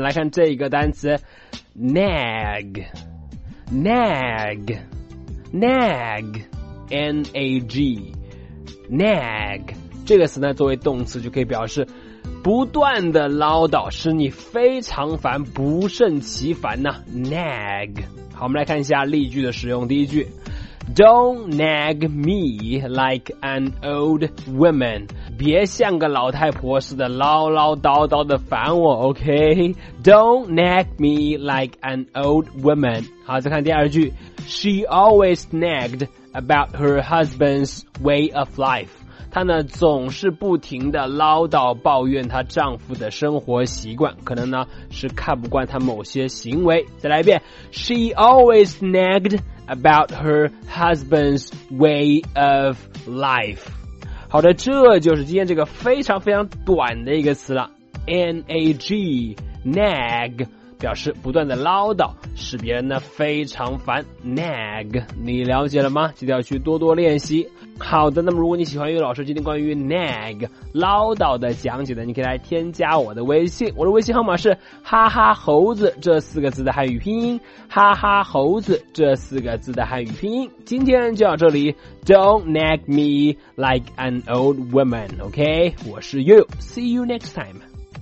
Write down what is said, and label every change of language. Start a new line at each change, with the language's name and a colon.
Chinese: 来看这个单词 ，nag， 这个词呢，作为动词就可以表示不断的唠叨，使你非常烦，不胜其烦呢。 nag， 好，我们来看一下例句的使用。第一句。
English: Don't nag me like an old woman.
Chinese: 别像个老太婆似的唠唠叨叨的烦我 ,OK?
English: Don't nag me like an old woman.
Chinese: 好，再看第二句。
English: She always nagged about her husband's way of life.
Chinese: 她呢总是不停地唠叨抱怨她丈夫的生活习惯，可能呢是看不惯她某些行为。再来一遍。
English: She always nagged about her husband's way of life.
Chinese: 好的，这就是今天这个非常非常短的一个词了。 NAG, nag, 表示不断的唠叨，使别人呢非常烦。 Nag, 你了解了吗？记得要去多多练习。好的，那么如果你喜欢悠悠老师今天关于 nag, 唠叨的讲解呢，你可以来添加我的微信。我的微信号码是哈哈猴子这四个字的汉语拼音。哈哈猴子这四个字的汉语拼音。今天就到这里。
English: Don't nag me like an old woman, okay?
Chinese: 我是悠悠
English: ,see you next time.